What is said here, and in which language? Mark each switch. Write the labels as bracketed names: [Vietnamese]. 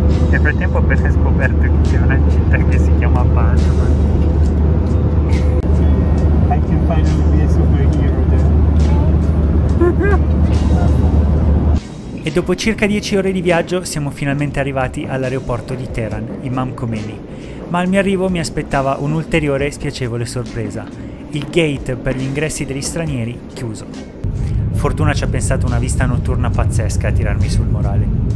[Italian] Nel frattempo ho appena scoperto che c'è una città che si chiama Panama. [English] I can finally be a superhero there. [Italian] E dopo circa 10 ore di viaggio siamo finalmente arrivati all'aeroporto di Teheran, Imam Khomeini. Ma al mio arrivo mi aspettava un'ulteriore spiacevole sorpresa. Il gate per gli ingressi degli stranieri chiuso. Fortuna ci ha pensato una vista notturna pazzesca a tirarmi sul morale.